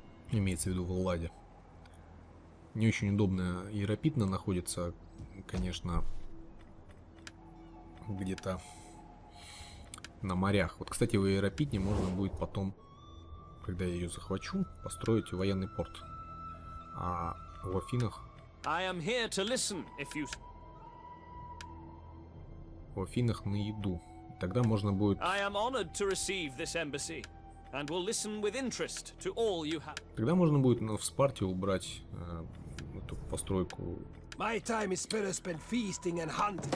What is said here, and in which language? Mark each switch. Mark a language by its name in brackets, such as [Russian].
[Russian] Имеется в виду в Элладе. Не очень удобно Еропидна находится, конечно, где-то на морях. Вот, кстати, в Еропидне можно будет потом, когда я ее захвачу, построить военный порт. А в Афинах... [English] I am here to listen, if you... [Russian] В Афинах на еду. Тогда можно будет... [English] I am honored to receive this embassy. And will listen with interest to all you have. [Russian] Тогда можно будет в Спарте убрать эту постройку. [English] My time is better spent feasting and hunting.